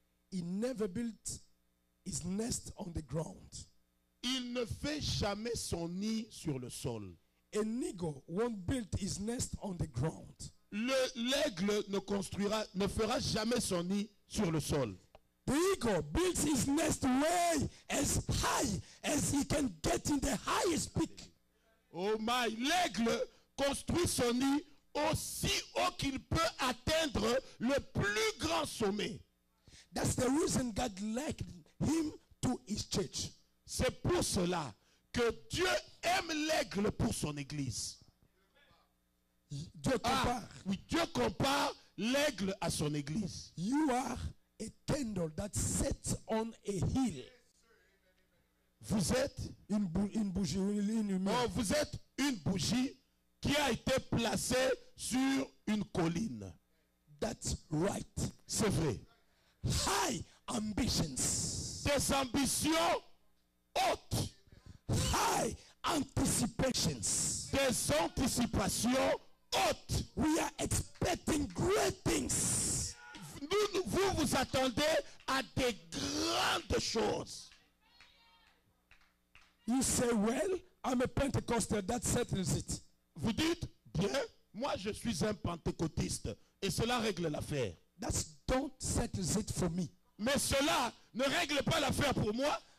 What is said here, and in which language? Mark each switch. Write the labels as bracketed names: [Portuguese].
[English] He never built his nest on the ground. [French] Il ne fait jamais son nid sur le sol. [English] An eagle won't build his nest on the ground. [French] L'aigle ne fera jamais son nid sur le sol. [English] The eagle builds his nest way as high as he can get in the highest peak. Oh my, [French] l'aigle construit son nid aussi haut qu'il peut atteindre le plus grand sommet. [English] That's the reason God liked him to his church. [French] C'est pour cela que Dieu aime l'aigle pour son église. Dieu compare. Ah, oui, Dieu compare l'aigle à son église. [English] You are a candle that sets on a hill. [French] Vous êtes une bougie. Vous êtes une bougie qui a été placée sur une colline. [English] That's right. [French] C'est vrai. [English] High ambitions. [French] Des ambitions hautes. [English] High anticipations. [French] Des anticipations hautes. [English] We are expecting great things. [French] Vous attendez à des grandes choses. [English] You say, well, I'm a Pentecostal, that settles it. [French] Vous dites, bien, moi je suis un pentecôtiste et cela règle l'affaire. [English] That's don't settle it for me. [French] Mais cela ne règle pas l'affaire pour moi.